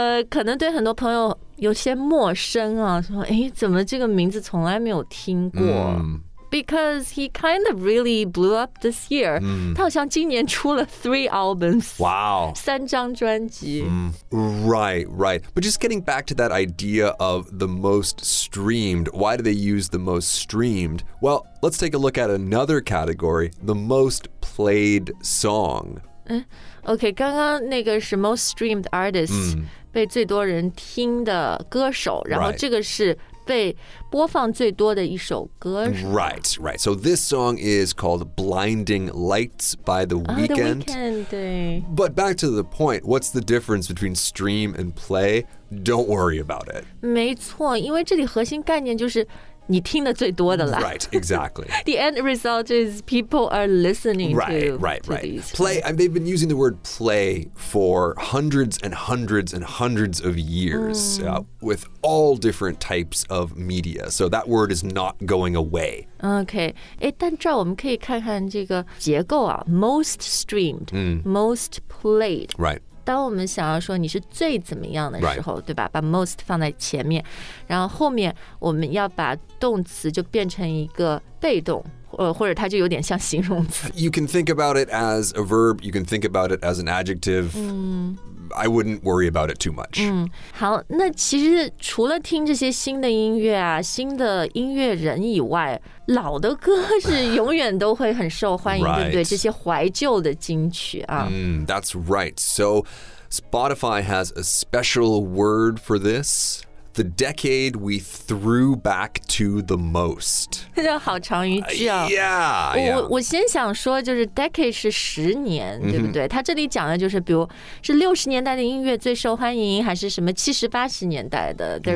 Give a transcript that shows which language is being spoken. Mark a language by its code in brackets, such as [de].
[zh] 可能对很多朋友有些陌生啊，说怎么这个名字从来没有听过。 [en] Because he kind of really blew up this year. [zh] 他好像今年出了 3 albums. [en] Wow. [zh] 三张专辑。 [en] Right, right. But just getting back to that idea of the most streamed, why do they use the most streamed? Well, let's take a look at another category, the most played song. [zh] Okay, 刚刚那个是 [en] most streamed artist, [zh] 被最多人听的歌手，然后这个是被播放最多的一首歌。 [en] Right, right. So this song is called Blinding Lights by The Weeknd. But back to the point, what's the difference between stream and play? Don't worry about it. [zh] 没错，因为这里核心概念就是你听的最多的了。 [en] Right, exactly. The end result is people are listening right, to, right, to right. these. Play, and they've been using the word play for hundreds and hundreds and hundreds of years、mm. With all different types of media. So that word is not going away. Okay. [zh] 诶，但这儿我们可以看看这个结构啊。 [en] Most streamed,、mm. most played. Right. [zh] 当我们想要说你是最怎么样的时候、 [en] right. [zh] 对吧把 most 放在前面然后后面我们要把动词就变成一个被动、或者它就有点像形容词 [en] You can think about it as a verb You can think about it as an adjective、嗯、 I wouldn't worry about it too much、 [zh] 嗯、好那其实除了听这些新的音乐啊新的音乐人以外老的歌是永远都会很受欢迎、 [en] right. [zh] 对不对这些怀旧的金曲啊、 [en] mm, That's right So Spotify has a special word for this The decade we threw back to the most [zh] 这好长一句啊、我先想说就是 decade 是十年对不对、mm-hmm. 它这里讲的就是比如是60年代的音乐最受欢迎还是什么70、80年代的 [en] They're、